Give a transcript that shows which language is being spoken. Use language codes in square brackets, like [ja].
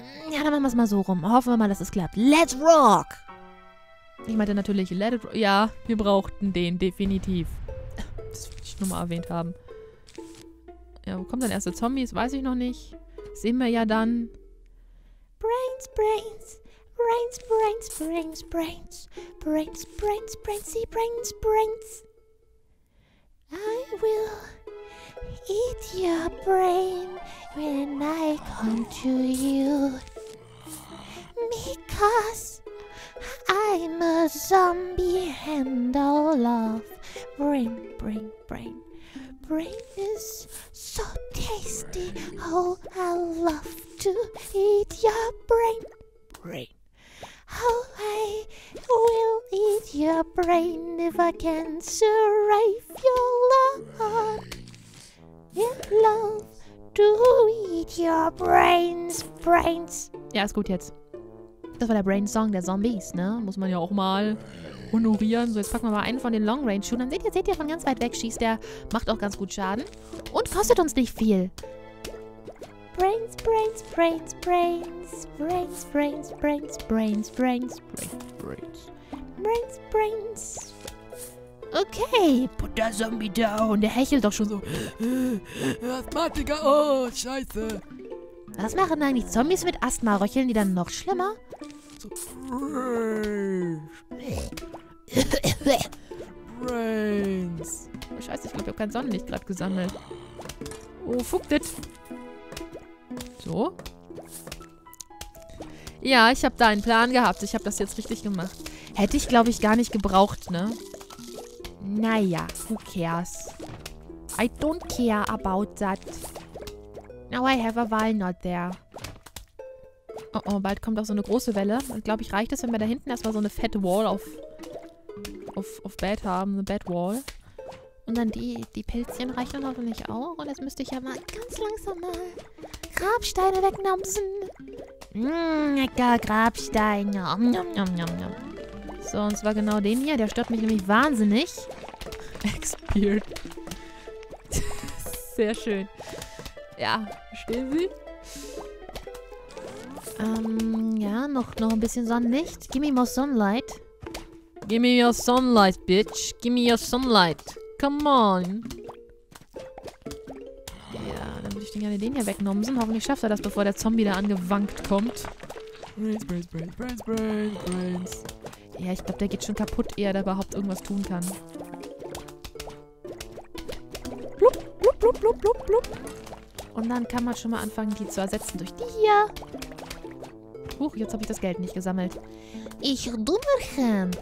[de] Ja, dann machen wir es mal so rum. Hoffen wir mal, dass es klappt. [en] Let's rock! [de] Ich meinte natürlich, [en] let it... [de] Ja, wir brauchten den, definitiv. Das wollte ich nur mal erwähnt haben. Ja, wo kommt dein erster Zombie? Das weiß ich noch nicht. Das sehen wir ja dann. [en] Brains, brains. Brains, brains, brains, brains. Brains, brains, brains, brains, brains. I will eat your brain when I come to you. Because... I'm a zombie and all of brain, brain, brain. Brain is so tasty. Oh, I love to eat your brain. Brain. Oh, I will eat your brain if I can survive your love. In love to eat your brains, brains. [de] Ja, ist gut jetzt. Das war der Brain-Song der Zombies, ne? Muss man ja auch mal honorieren. So, jetzt packen wir mal einen von den Long-Range-Shootern. Seht ihr, von ganz weit weg schießt der. Macht auch ganz gut Schaden. Und kostet uns nicht viel. [en] Brains, brains, brains, brains. Brains, brains, brains, brains, brains, brains, brains. Brains, brains. Okay. Put that Zombie down. [de] Der hechelt doch schon so. Asthmatika. Oh, scheiße. Was machen eigentlich Zombies mit Asthma? Röcheln die dann noch schlimmer? [en] So, brains. Brains. [de] Oh, scheiße, ich glaube, ich habe kein Sonnenlicht gerade gesammelt. Oh, fuck das. So. Ja, ich habe da einen Plan gehabt. Ich habe das jetzt richtig gemacht. Hätte ich, glaube ich, gar nicht gebraucht, ne? [en] Naja, who cares? I don't care about that. Now I have a walnut there. [de] Oh, bald kommt auch so eine große Welle. Und glaube ich, reicht es, wenn wir da hinten erstmal so eine fette Wall auf Bed haben. Eine Bed Wall. Und dann die Pilzchen reichen dann hoffentlich auch. Und jetzt müsste ich ja mal ganz langsam mal Grabsteine wegnamsen. Lecker Grabstein. Nom, nom, nom, nom, nom. So, und zwar genau den hier. Der stört mich nämlich wahnsinnig. [en] Expired. [de] Sehr schön. Ja, verstehen Sie? Ja, noch ein bisschen Sonnenlicht. [en] Give me more sunlight. Give me your sunlight, bitch. Give me your sunlight. Come on. [de] Ja, dann würde ich den gerne den hier wegnommen. So, hoffentlich schafft er das, bevor der Zombie da angewankt kommt. [en] Brains, brains, brains, brains, brains, brains. [de] Ja, ich glaube, der geht schon kaputt, ehe er da überhaupt irgendwas tun kann. Blub, blub, blub, blub, blub, blub. Und dann kann man schon mal anfangen, die zu ersetzen durch die hier. Huch, jetzt habe ich das Geld nicht gesammelt. Ich dummerchen.